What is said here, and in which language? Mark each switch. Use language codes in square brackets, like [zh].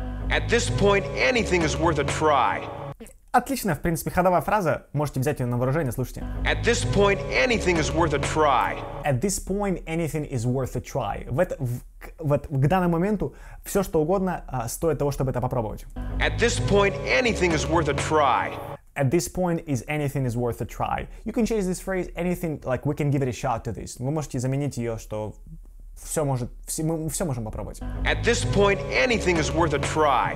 [en] At this point, anything is worth a try. [ru] Отличная, в принципе, ходовая фраза. Можете взять ее на вооружение, слушайте. [en] At this point, anything is worth a try. At this point, anything is worth a try. [ru] К данному моменту все, что угодно, стоит того, чтобы это попробовать. [en] At this point, anything is worth a try. At this point, is anything is worth a try. You can change this phrase, anything, like, we can give it a shot to this. [ru] Вы можете заменить ее, что... Все может, все, мы все можем попробовать. [en] At this point, anything is worth a try.